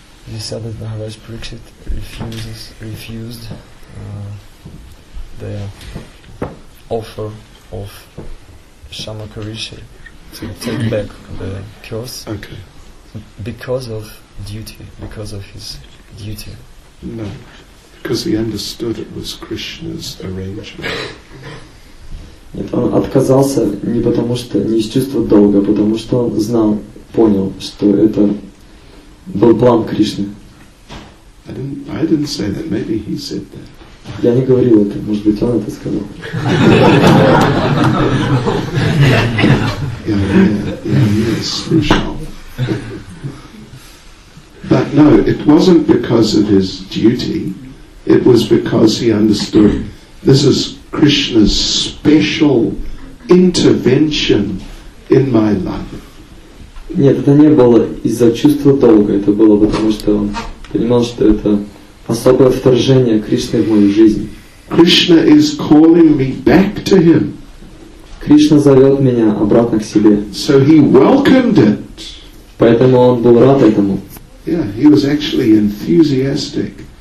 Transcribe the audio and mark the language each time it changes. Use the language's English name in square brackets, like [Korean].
[English] You said that Maharaj Parikshit refused the offer of Shamakarishi to take back the curse. Okay. Because of duty, because of his duty. No, because he understood it was Krishna's arrangement. [Russian] Нет, он отказался не потому что не из чувства долга, потому что он знал, понял, что это был план Кришны. [English] I didn't say that. Maybe he said that. [Russian] Я не говорил это. Может быть, он это сказал. [English] Yes, Rishal. But no, it wasn't because of his duty. It was because he understood this is Krishna's special intervention in my life. [Russian] Нет, это не было из-за чувства долга. Это было потому, что он понимал, что это особое вторжение Кришны в мою жизнь. [English] Krishna is calling me back to him. [Russian] Кришна зовет меня обратно к себе. [English] So he welcomed it. [Russian] Поэтому он был рад этому. [English] Yeah, he was actually enthusiastic.